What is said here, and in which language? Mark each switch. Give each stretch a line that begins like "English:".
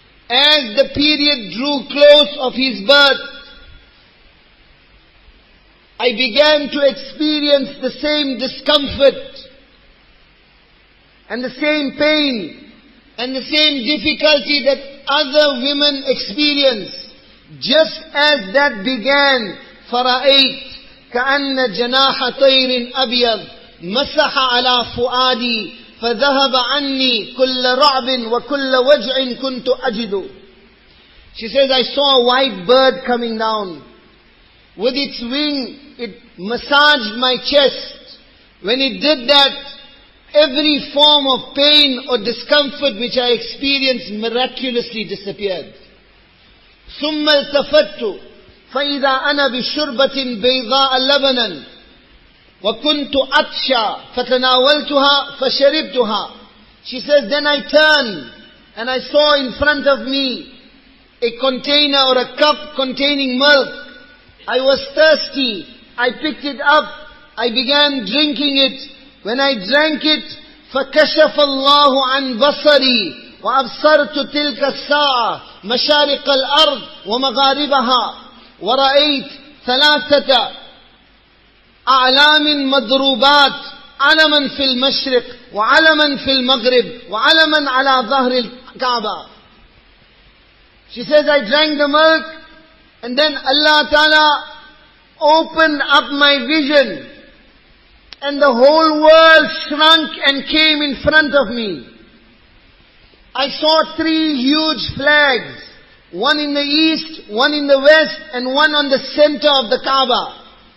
English: As the period drew close of his birth, I began to experience the same discomfort and the same pain and the same difficulty that other women experience. Just as that began,
Arabic: Fara'ait كَأَنَّ جَنَاحَ طَيْرٍ أَبْيَضْ مَسَحَ عَلَى فُؤَادِي فَذَهَبَ عَنِّي كُلَّ رَعْبٍ وَكُلَّ وَجْعٍ كُنْتُ أَجِدُ.
English: She says, I saw a white bird coming down. With its wing, it massaged my chest. When it did that, every form of pain or discomfort which I experienced miraculously disappeared.
Arabic: ثُمَّ الْتَفَتُّ فَإِذَا أَنَا بِشُرْبَةٍ بَيْضَاءَ لَبَنًا وَكُنْتُ أَطْشَى فَتَنَاوَلْتُهَا فَشَرِبْتُهَا.
English: She says, then I turned and I saw in front of me a container or a cup containing milk. I was thirsty. I picked it up. I began drinking it. When I drank it,
Arabic: فَكَشَفَ اللَّهُ عَنْ بَصَرِي وَأَبْصَرْتُ تِلْكَ السَّاعَةَ مَشَارِقَ الْأَرْضِ وَمَغَارِبَهَا ورأيت ثلاثة أعلام مضروبات علما في المشرق وعلما في المغرب وعلما على ظهر الكعبة.
English: She says, I drank the milk and then Allah Ta'ala opened up my vision and the whole world shrunk and came in front of me. I saw three huge flags, one in the east, one in the west, and one on the center of the Kaaba.